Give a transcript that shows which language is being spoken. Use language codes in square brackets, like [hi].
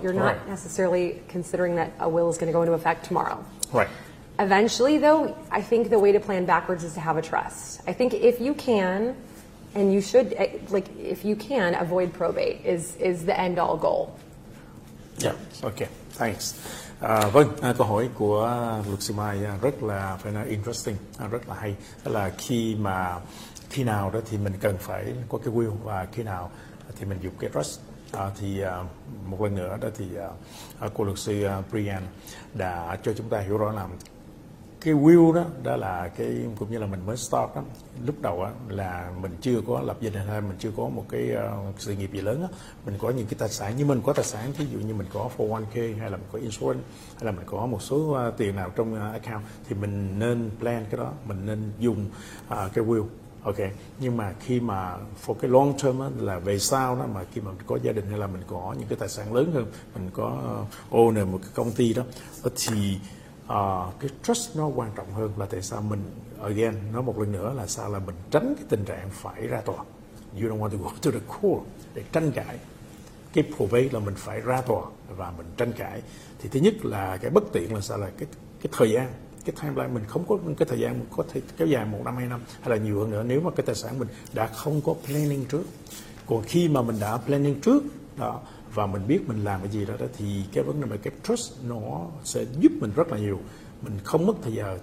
[en] You're not right necessarily considering that a will is going to go into effect tomorrow. Right. Eventually, though, I think the way to plan backwards is to have a trust. I think if you can, and you should, like, if you can, avoid probate is the end-all goal. Yeah. Okay. Thanks. [vi] Vâng, câu hỏi của luật sư Mai rất là, phải nói, interesting, rất là hay. Đó là khi nào đó thì mình cần phải có cái will, và khi nào thì mình dùng cái trust. Một lần nữa đó thì cô luật sư Brianne đã cho chúng ta hiểu rõ là cái will đó là cái, cũng như là mình mới start đó, lúc đầu là mình chưa có lập gia đình, hay mình chưa có một cái sự nghiệp gì lớn đó. Mình có những cái tài sản, như mình có tài sản, thí dụ như mình có 401k, hay là mình có insurance, hay là mình có một số tiền nào trong account, thì mình nên plan cái đó, mình nên dùng cái will. Ok, nhưng mà khi mà for cái long term đó, là về sau đó, mà khi mà mình có gia đình, hay là mình có những cái tài sản lớn hơn, mình có owner một cái công ty đó thì cái trust nó quan trọng hơn. Là tại sao mình, again, nói một lần nữa là sao, là mình tránh cái tình trạng phải ra tòa. [en] You don't want to go to the court [vi] để tranh cãi. Cái probate là mình phải ra tòa và mình tranh cãi. Thì thứ nhất là cái bất tiện là sao, là cái thời gian, cái timeline, mình không có cái thời gian có thể kéo dài một năm, hai năm, hay là nhiều hơn nữa, nếu mà cái tài sản mình đã không có planning trước. Còn khi mà mình đã planning trước đó, và mình biết mình làm cái gì đó thì cái vấn đề về cái trust nó sẽ giúp mình rất là nhiều. Mình không mất thời gian.